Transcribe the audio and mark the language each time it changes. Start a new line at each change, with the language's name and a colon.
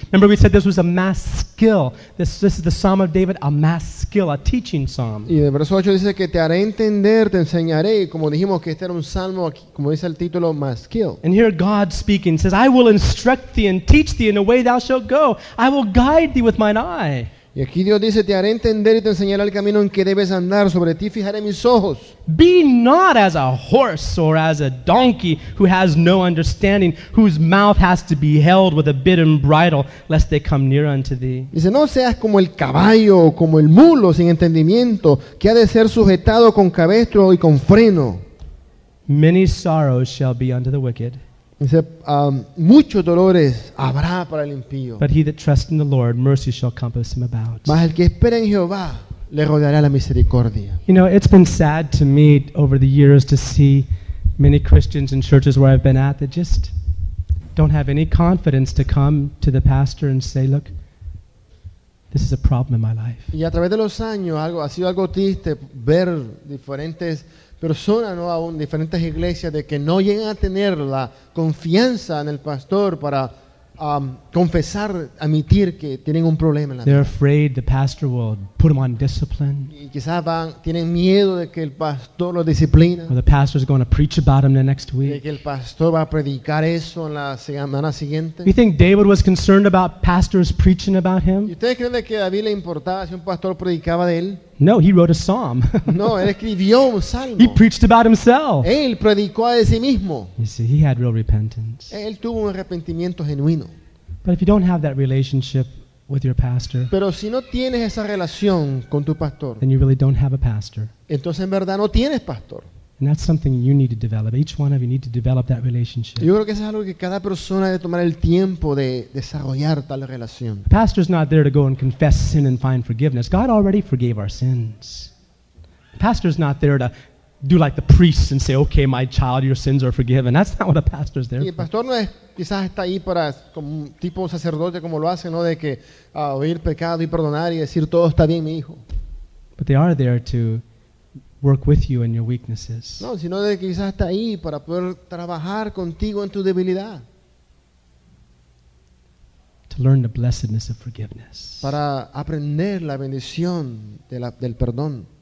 English: Remember we said this was a mass skill. This is the Psalm of David, a mass skill, a teaching psalm.
Spanish: Y el verso 8 dice que te haré entender, te enseñaré. Como dijimos que este era un salmo, como dice el título, mass skill.
English: And here God speaking says, I will instruct thee and teach thee in a way thou shalt go. I will guide thee with mine eye.
Spanish: Y aquí Dios dice, te haré entender y te enseñaré el camino en que debes andar. Sobre ti fijaré mis ojos.
English: Be not as a horse or as a donkey who has no understanding, whose mouth has to be held with a bit and bridle, lest they come near unto thee.
Spanish: Dice, no seas como el caballo o como el mulo sin entendimiento, que ha de ser sujetado con cabestro y con freno.
English: Many sorrows shall be unto the wicked.
Spanish: Dice, muchos dolores habrá para el impío.
English: But he that trusts in the Lord, mercy shall compass him about.
Spanish: Mas el que espera en Jehová, le rodeará la misericordia.
English: You know, it's been sad to me over the years to see many Christians in churches where I've been at that just don't have any confidence to come to the pastor and say, look, this is a problem in my life.
Spanish: Y a través de los años, ha sido algo triste ver diferentes personas, no aún diferentes iglesias, de que no llegan a tener la confianza en el pastor para confesar, admitir que tienen un problema en la
English: They're afraid the pastor will put them on discipline.
Spanish: Y quizás tienen miedo de que el pastor los disciplina.
English: Or the pastor is going to preach about them the next week.
Spanish: De que el pastor va a predicar eso en la semana siguiente.
English: You think David was concerned about pastors preaching about him?
Spanish: ¿Y ustedes creen que a David le importaba si un pastor predicaba de él?
English: No, he wrote a psalm.
Spanish: No, él escribió un salmo.
English: He preached about himself.
Spanish: Él predicó de sí mismo.
English: You see, he had real repentance.
Spanish: Él tuvo un arrepentimiento genuino.
English: But if you don't have that relationship with your pastor,
Spanish: pero si no tienes esa relación con tu pastor,
English: then you really don't have a pastor.
Spanish: Entonces en verdad no tienes pastor.
English: And that's something you need to develop. Each one of you need to develop that relationship.
Spanish: Yo creo que eso es algo que cada persona debe tomar el tiempo de desarrollar tal relación.
English: The pastor's not there to go and confess sin and find forgiveness. God already forgave our sins. The pastor's not there to do like the priests and say, okay, my child, your sins are forgiven. That's not what a pastor's there for.
Spanish: Y el pastor no es, quizás está ahí para, como tipo sacerdote como lo hace, ¿no? De que oír pecado y perdonar y decir, todo está bien, mi hijo.
English: But they are there to work with you in your weaknesses.
Spanish: No, sino de que quizás está ahí para poder trabajar contigo en tu debilidad.
English: To learn the blessedness of forgiveness.
Spanish: Para aprender la bendición de la, del perdón.